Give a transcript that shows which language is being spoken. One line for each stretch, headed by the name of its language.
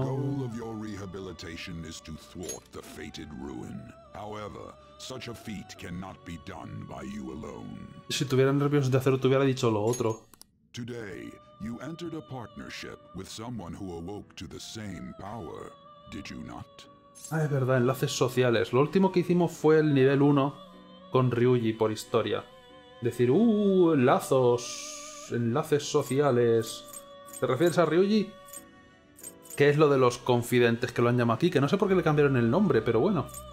English: The goal of your rehabilitation is to thwart the fated ruin. However, such a feat cannot be done by you alone.
Spanish: Si tuviera nervios de hacerlo, te hubiera dicho lo otro.
English: Today, you entered a partnership with someone who awoke to the same power, did you not?
Spanish: Ah, es verdad, enlaces sociales. Lo último que hicimos fue el nivel 1 con Ryuji por historia. Decir, lazos, enlaces sociales. ¿Te refieres a Ryuji? ¿Qué es lo de los confidentes que lo han llamado aquí? Que no sé por qué le cambiaron el nombre, pero bueno.